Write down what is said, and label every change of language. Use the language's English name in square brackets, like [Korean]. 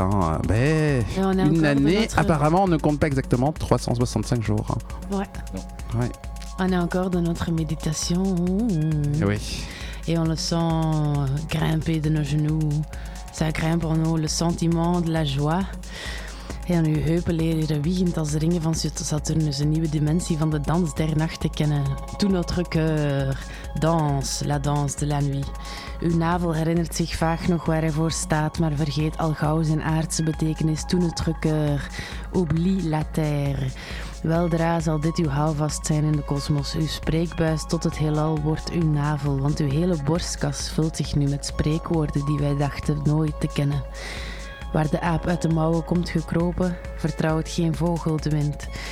[French] Hein. Mais une année, notre... apparemment, on ne compte pas exactement 365 jours. Hein. Ouais. Ouais. On est encore dans notre méditation. Et oui. Et on le sent grimper de nos genoux. Ça grimpe en nous le sentiment de la joie. [Dutch] En uw heupen leren wiegend als de ringen van Saturnus, een nieuwe dimensie van de dans der nachten kennen. [French] Tout notre cœur, danse, la danse de la nuit. [Dutch] Uw navel herinnert zich vaag nog waar hij voor staat, maar vergeet al gauw zijn aardse betekenis. [French] Tout notre cœur, oublie la terre. [Dutch] Weldra zal dit uw houvast zijn in de kosmos. Uw spreekbuis tot het heelal wordt uw navel, want uw hele borstkas vult zich nu met spreekwoorden die wij dachten nooit te kennen. Waar de aap uit de mouwen komt gekropen, vertrouwt geen vogel de wind.